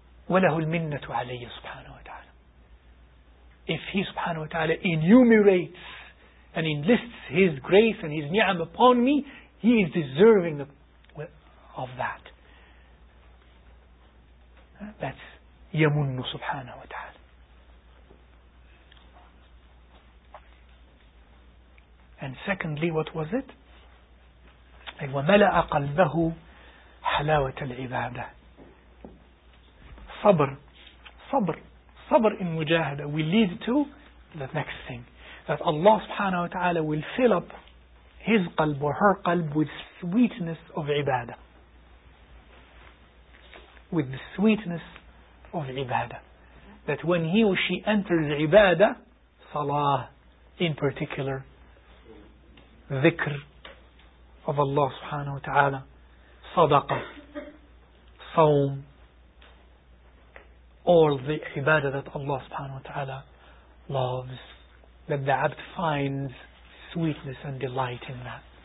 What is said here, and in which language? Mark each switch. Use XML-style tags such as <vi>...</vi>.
<ar>وَلَهُ الْمِنَّةُ عَلَيَّ سُبْحَانَهُ وَتَعَالَى.</ar> <en>If He subhanahu wa ta'ala enumerates and enlists His grace and His ni'am upon me, He is deserving of that. That's</en> <ar>يَمُنُّ سُبْحَانَهُ وَتَعَالَى.</ar> <en>And secondly, what was it?</en> <ar>أي وملأ قلبه حلاوة العبادة.</ar> <en>صبر صبر صبر in mujahada will lead to the next thing, that Allah subhanahu wa ta'ala will fill up his qalb or her qalb with sweetness of ibadah, with the sweetness of ibadah, that when he or she enters ibadah, salah in particular, dhikr of Allah subhanahu wa ta'ala, sadaqah, sawm, all the ibadah that Allah subhanahu wa ta'ala loves, that the abd finds sweetness and delight in that.</en>